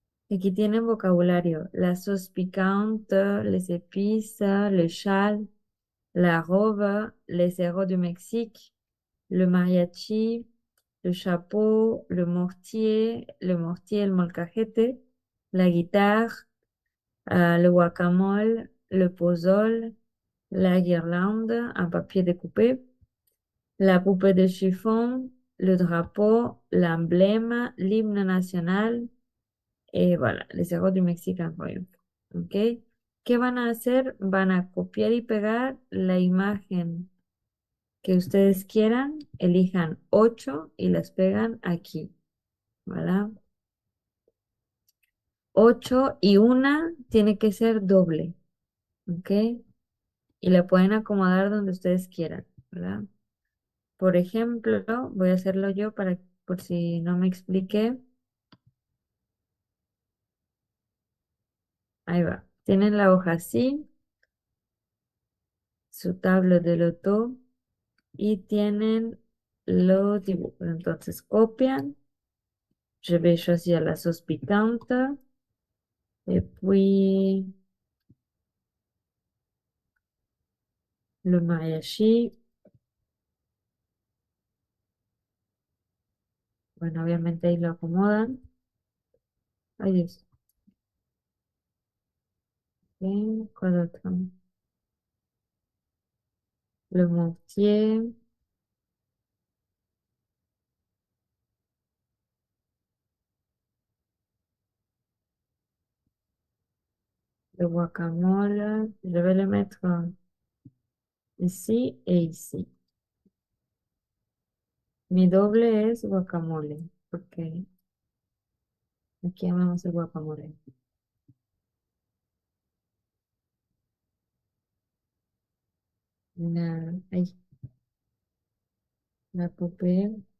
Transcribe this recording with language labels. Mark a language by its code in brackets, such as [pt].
[es] Aquí tienen vocabulario, [fr] la sauce piquante, les épices, le châle, la robe, les héros du Mexique, le mariachi, le chapeau, le mortier, le molcajete, la guitare, le guacamole, le pozole, la guirlande, un papier découpé, la poupée de chiffon, le drapeau, l'emblème, l'hymne national. Et voilà, les héros du Mexique, [es] por ejemplo. ¿Ok? ¿Qué van a hacer? Van a copiar y pegar la imagen que ustedes quieran. Elijan 8 y las pegan aquí. ¿Vale? 8 y 1 tiene que ser doble. ¿Ok? Y la pueden acomodar donde ustedes quieran. ¿Vale? Por ejemplo, voy a hacerlo yo para, por si no me expliqué. Ahí va. Tienen la hoja así, su tabla de loto y tienen los dibujos. Entonces copian. [fr] Je vais choisir la sauce piquante. Et puis, le mariachi. [es] Bueno, obviamente ahí lo acomodan. Adiós. ¿Cuál otro? [fr] Le mortier. Le guacamole. Je vais le mettre ici et ici. [es] Mi doble es guacamole, porque aquí llamamos el guacamole. [fr] La poupée.